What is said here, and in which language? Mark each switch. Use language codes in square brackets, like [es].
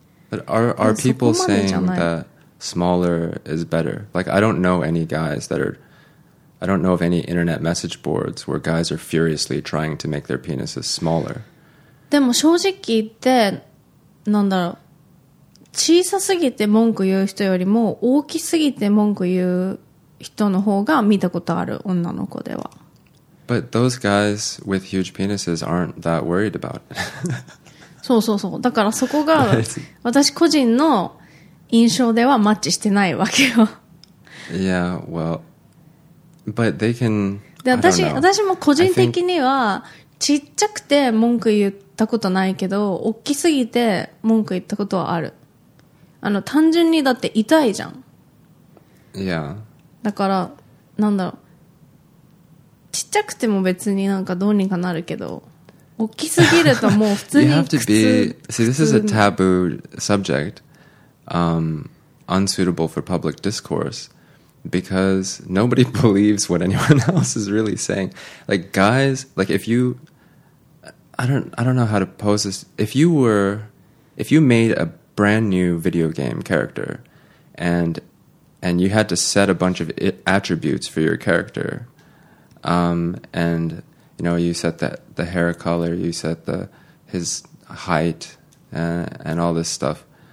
[en] But are people saying that smaller is better? Like, I don't know of any internet message boards where guys are furiously trying to make their penises smaller. [ja] でも正直言って、なんだろう、小さすぎて文句言う人よりも大きすぎて文句言う人の方が見たことある、女の子では。 [en] But those guys with huge penises aren't that worried about it. [ja] そうそうそう。だからそこが私個人の印象ではマッチしてないわけよ。 [en] Yeah, well, but they can. [ja] で、私も個人的にはちっちゃくて文句言ったことないけど、大きすぎて文句言ったことはある。あの、単純にだって痛いじゃん。 [en] Yeah. [ja] だから、なんだろう。ちっちゃくても別になんかどうにかなるけど、大きすぎるともう普通に [en] You have to be, see, this is a taboo subject, unsuitable for public discourse, because nobody believes what anyone else is really saying. Like guys, like if you, I don't know how to pose this, if you made a brand new video game character, and you had to set a bunch of attributes for your character,and you know, you set the hair color, you set his height, and all this stuff.